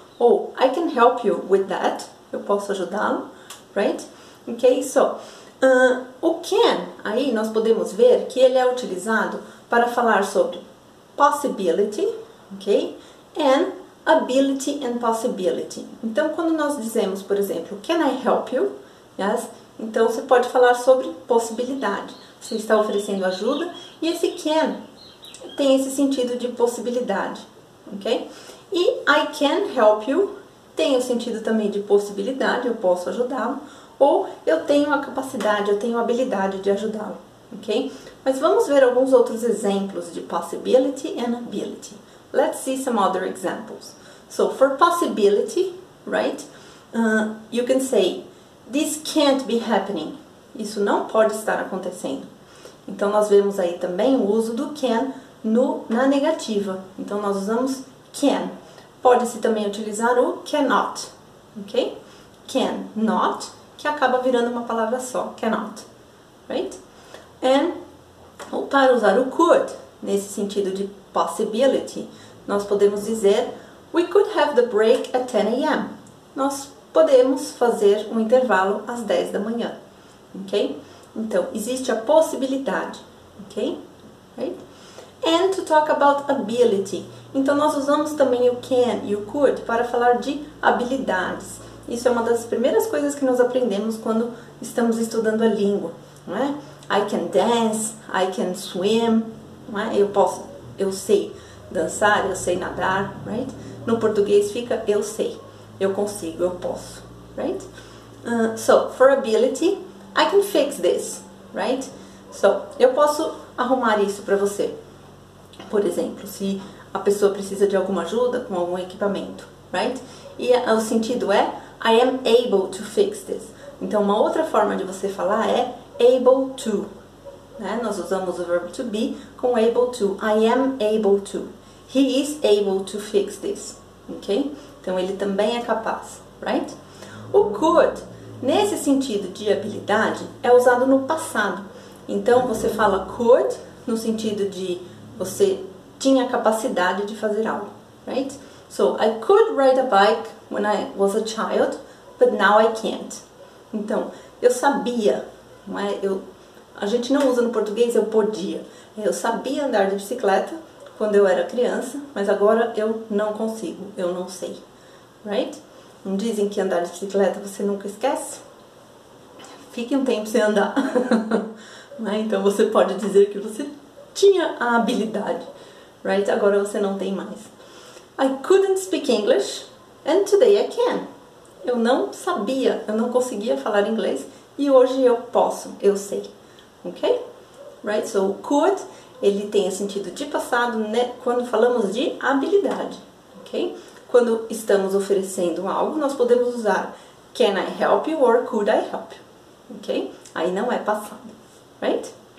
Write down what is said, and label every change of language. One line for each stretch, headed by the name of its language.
English: Ou I can help you with that,
Portuguese: eu posso ajudá-lo,
English: right?
Portuguese: Ok, so, o can, aí nós podemos ver que ele é utilizado para falar sobre possibility, ok?
English: And ability and possibility.
Portuguese: Então, quando nós dizemos, por exemplo,
English: can I help you? Yes?
Portuguese: Então, você pode falar sobre possibilidade. Você está oferecendo ajuda e esse can tem esse sentido de possibilidade, ok? E I can help you tem o sentido também de possibilidade, eu posso ajudá-lo. Ou eu tenho a capacidade, eu tenho a habilidade de ajudá-lo, ok? Mas vamos ver alguns outros exemplos de possibility and ability.
English: Let's see some other examples. So, for possibility, right, you can say, this can't be happening.
Portuguese: Isso não pode estar acontecendo. Então, nós vemos aí também o uso do can na negativa. Então, nós usamos can. Pode-se também utilizar o cannot, ok? Can not, que acaba virando uma palavra só, cannot, right? And, ou para usar o could, nesse sentido de possibility, nós podemos dizer,
English: we could have the break at 10 a.m.
Portuguese: Nós podemos fazer um intervalo às 10 da manhã, ok? Então, existe a possibilidade, ok? Right?
English: And to talk about ability.
Portuguese: Então, nós usamos também o can e o could para falar de habilidades. Isso é uma das primeiras coisas que nós aprendemos quando estamos estudando a língua, não é?
English: I can dance, I can swim,
Portuguese: não é? Eu sei dançar, eu sei nadar, right? No português fica eu sei, eu consigo, eu posso, right?
English: So, for ability, I can fix this, right?
Portuguese: So, eu posso arrumar isso para você. Por exemplo, se a pessoa precisa de alguma ajuda com algum equipamento, right? E o sentido é
English: I am able to fix this.
Portuguese: Então, uma outra forma de você falar é able to. Né? Nós usamos o verbo to be com able to.
English: I am able to. He is able to fix this. Ok?
Portuguese: Então, ele também é capaz. Right? O could, nesse sentido de habilidade, é usado no passado. Então, você fala could no sentido de você tinha capacidade de fazer algo. Right?
English: So, I could ride a bike when I was a child, but now I can't.
Portuguese: Então, eu sabia, não é? A gente não usa no português, eu podia. Eu sabia andar de bicicleta quando eu era criança, mas agora eu não consigo, eu não sei. Right? Não dizem que andar de bicicleta você nunca esquece? Fique um tempo sem andar. Não é? Então, você pode dizer que você tinha a habilidade. Right? Agora você não tem mais.
English: I couldn't speak English, and today I can.
Portuguese: Eu não sabia, eu não conseguia falar inglês, e hoje eu posso, eu sei. Ok? Right? So, could, ele tem o sentido de passado, né? Quando falamos de habilidade. Ok? Quando estamos oferecendo algo, nós podemos usar
English: can I help you
Portuguese: or could I help you. Ok? Aí não é passado. Right?